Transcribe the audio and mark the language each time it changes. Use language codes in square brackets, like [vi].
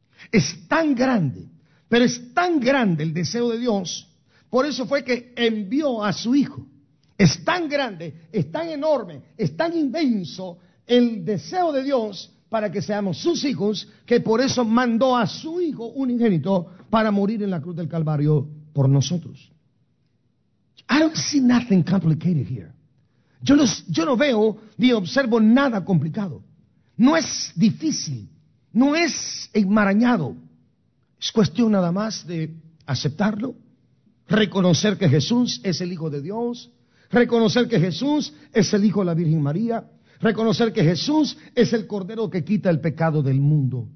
[es] Es tan grande, pero es tan grande el deseo de Dios, por eso fue que envió a su Hijo. Es tan grande, es tan enorme, es tan inmenso el deseo de Dios para que seamos sus hijos, que por eso mandó a su Hijo unigénito para morir en la cruz del Calvario por nosotros. [en] I don't see nothing complicated here. [es] Yo no veo ni observo nada complicado. No es difícil, no es enmarañado. Es cuestión nada más de aceptarlo, reconocer que Jesús es el Hijo de Dios, reconocer que Jesús es el Hijo de la Virgen María, reconocer que Jesús es el Cordero que quita el pecado del mundo.